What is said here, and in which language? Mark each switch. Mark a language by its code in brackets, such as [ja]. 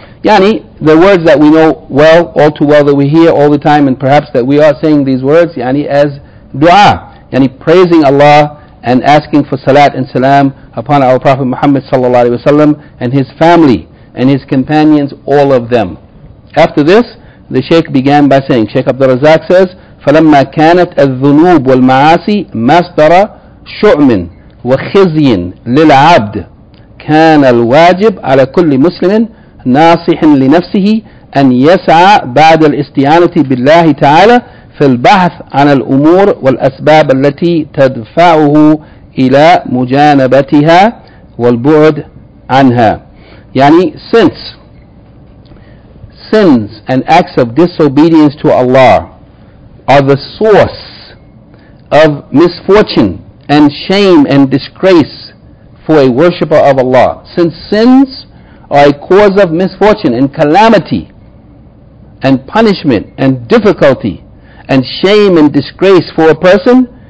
[en] Yani, the words that we know well, all too well, that we hear all the time, and perhaps that we are saying these words, yani as dua, yani praising Allah and asking for salat and salam upon our Prophet Muhammad sallallahu alaihi wasallam and his family and his companions, all of them. After this, the Shaykh began by saying, Shaykh Abdul Razak says, [ar] فَلَمَّا كَانَتْ الذُّنُوبُ وَالْمَعَاسِي مَصْدَرَ شُعْمٍ وَخِزْيٍ لِلْعَبْدِ كَانَ الْوَاجِبُ عَلَى كُلِّ مُسْلِمٍ نَاصِحٍ لِنَفْسِهِ أَنْ يَسْعَى بَعْدَ الْإِسْتِعَانَةِ بِاللَّهِ تَعَالَى في البحث عن الأمور والأسباب التي تدفعه إلى مجانبتها والبعد عنها. [en] يعني since sins and acts of disobedience to Allah are the source of misfortune and shame and disgrace for a worshipper of Allah. Since sins are a cause of misfortune and calamity and punishment and difficulty and shame and disgrace for a person,